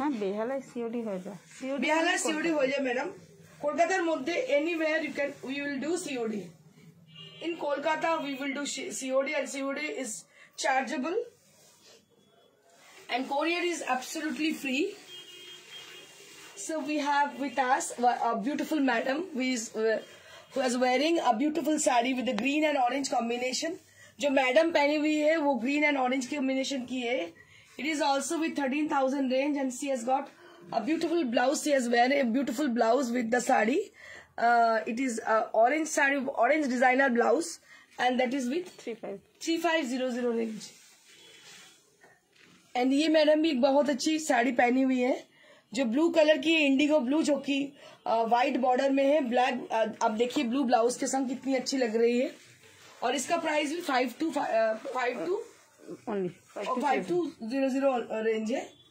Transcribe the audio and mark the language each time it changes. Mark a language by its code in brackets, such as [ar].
[hi] हाँ, बेहाला सीओडी हो जा, बेहाला सीओडी हो जा madam. [en] कोलकाता मध्य anywhere you can, we will do COD in Kolkata, we will do COD and COD is chargeable and courier is absolutely free. So we have with us a beautiful madam who is wearing a beautiful saree with the green and orange combination. [hi] जो madam पहनी हुई है वो [en] green and orange combination [hi] की है. [en] It is also with 13,000 range and she has got a beautiful blouse. She has worn a beautiful blouse with the saree. It is a orange saree, orange designer blouse, and that is with 3500 range. [hi] And ये madam भी एक बहुत अच्छी saree पहनी हुई है जो blue colour की है, इंडिगो ब्लू, जो कि व्हाइट बॉर्डर में है. ब्लैक आप देखिए ब्लू ब्लाउज के संग कितनी अच्छी लग रही है. और इसका प्राइस भी 5200 रेंज है.